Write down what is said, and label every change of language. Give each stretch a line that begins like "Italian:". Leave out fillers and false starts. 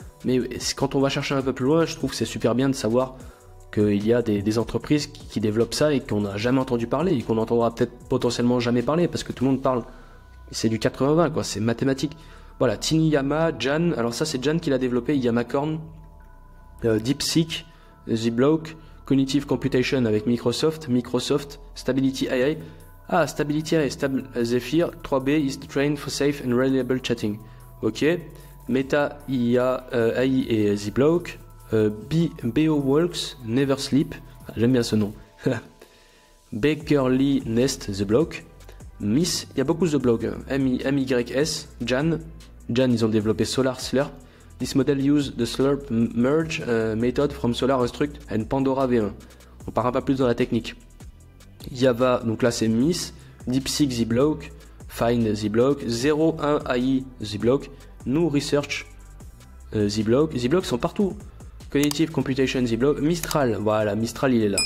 French: Mais quand on va chercher un peu plus loin, je trouve que c'est super bien de savoir qu'il y a des entreprises qui développent ça et qu'on n'a jamais entendu parler et qu'on n'entendra peut-être potentiellement jamais parler parce que tout le monde parle. C'est du 80-20 quoi, c'est mathématique. Voilà, Tiniyama, Jan, alors ça c'est Jan qui l'a développé, Yamacorn, DeepSeek, ZBlock, Cognitive Computation avec Microsoft, Stability AI.
English: Ah, Stability AI, Zephyr, 3B, is trained for safe and reliable chatting.
French: Ok. Meta, IA, AI et ZBlock, BeoWorks, Never Sleep, j'aime bien ce nom, Bakerly, Nest, ZBlock, Miss, il y a beaucoup ZBlock, MYS, Jan, ils ont développé Solar Slurp.
English: This model use the Slurp Merge method from Solar Struct and Pandora V1.
French: On parlera pas plus dans la technique. Java, donc là c'est Miss, DeepSeek, ZBlock, Find, ZBlock, 01 AI, ZBlock, New Research, ZBlock. ZBlock sont partout. Cognitive Computation, ZBlock, Mistral. Voilà, Mistral, il est là.